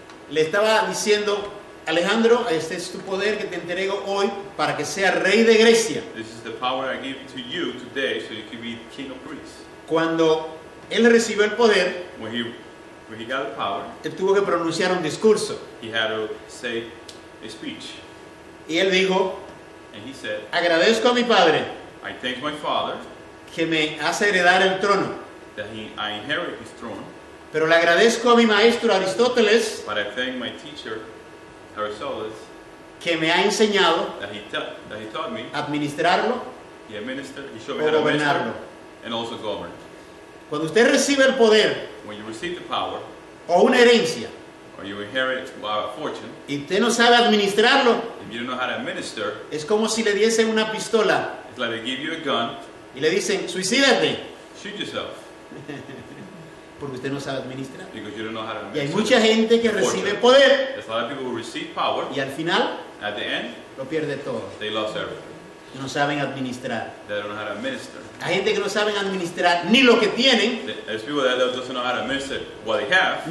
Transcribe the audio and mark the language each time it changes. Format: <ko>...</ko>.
<es>le estaba diciendo, Alejandro, este es tu poder que te entrego hoy para que seas rey de Grecia.</es> <en>This is the power I give to you today so you can be king of Greece.</en> <es>Cuando él recibió el poder,</es> <en>when he got the power,</en> <es>él tuvo que pronunciar un discurso.</es> <en>He had to say a speech.</en> <es>Y él dijo,</es> <en>and he said,</en> <es>agradezco a mi padre,</es> <en>I thank my father,</en> <es>que me hace heredar el trono,</es> <en>that I inherit his throne,</en> <es>pero le agradezco a mi maestro Aristóteles,</es> <en>but I thank my teacher Aristóteles,</en> <es>que me ha enseñado,</es> <en>that he taught me,</en> <es>administrarlo,</es> <en>he administered, he showed me how to</en> <es>gobernarlo,</es> <en>and also govern.</en> <es>Cuando usted recibe el poder,</es> <en>when you receive the power,</en> <es>o una herencia,</es> <en>or you inherit a fortune,</en> <es>y usted no sabe administrarlo,</es> <en>if you don't know how to administer,</en> <es>es como si le diesen una pistola,</es> <en>it's like they give you a gun,</en> <es>y le dicen, suicídate,</es> <en>shoot yourself,</en> <es>porque usted no sabe administrar.</es> <en>Because you don't know how to administer.</en> <es>Y hay mucha gente que recibe poder,</es> <en>there's a lot of people who receive power,</en> <es>y al final,</es> <en>at the end,</en> <es>lo pierde todo,</es> <en>they lost everything,</en> <es>no saben administrar,</es> <en>they don't know how to administer.</en> <es>Hay gente que no saben administrar ni lo que tienen.</es> <en>There's people that don't know how to administer what they have.</en>